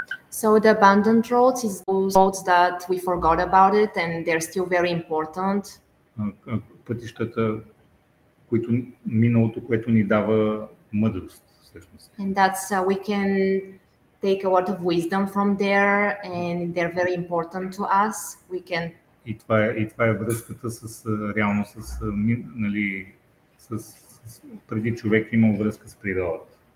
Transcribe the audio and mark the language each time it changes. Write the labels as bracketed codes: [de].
[en] So the abandoned roads is roads that we forgot about it and they're still very important. [bg] Пътищата, които миналото, което ни дава мъдрост, всъщност. [en] And that's we can take a lot of wisdom from there and they're very important to us. We can. [bg] И това е връзката с реално с, нали, с преди човек имал връзка с природата.